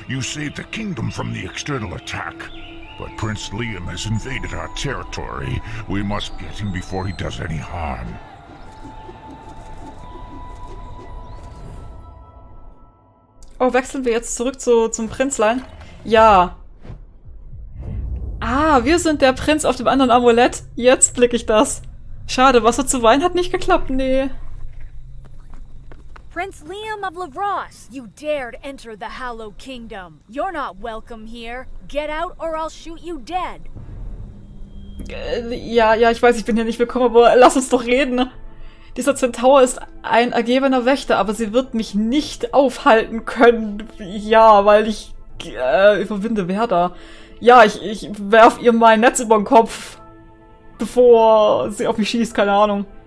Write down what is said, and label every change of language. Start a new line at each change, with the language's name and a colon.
English: You saved the kingdom from the external attack. But Prince Liam has invaded our territory. We must get him before he does any harm.
German: Oh, wechseln wir jetzt zurück zum Prinzlein? Ja. Ah, wir sind der Prinz auf dem anderen Amulett. Jetzt blicke ich das. Schade, Wasser zu Wein hat nicht geklappt, nee.
English: Prinz Liam of Lavros, you dared enter the Hallowed Kingdom. You're not welcome here. Get out or I'll shoot you dead.
German: Ja, ich weiß, ich bin hier nicht willkommen, aber lass uns doch reden. Dieser Zentaur ist ein ergebener Wächter, aber sie wird mich nicht aufhalten können. Ja, weil ich überwinde Werder. Ja, ich werf ihr mein Netz über den Kopf, bevor sie auf mich schießt, keine Ahnung.